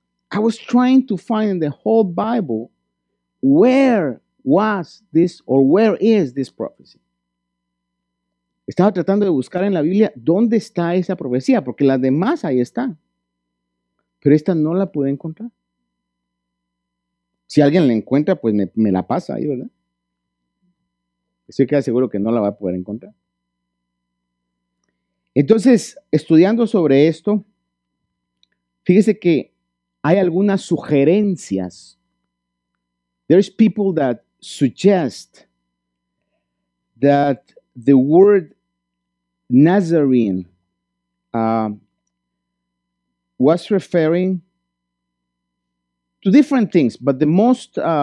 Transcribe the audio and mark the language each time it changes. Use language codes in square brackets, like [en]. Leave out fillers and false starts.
[en] I was trying to find in the whole Bible where was this or where is this prophecy. [es] Estaba tratando de buscar en la Biblia dónde está esa profecía, porque las demás ahí están. Pero esta no la pude encontrar. Si alguien la encuentra, pues me la pasa ahí, ¿verdad? Estoy casi seguro que no la va a poder encontrar. Entonces, estudiando sobre esto, fíjese que hay algunas sugerencias. [en] There's people that suggest that the word Nazarene was referring to different things, but the most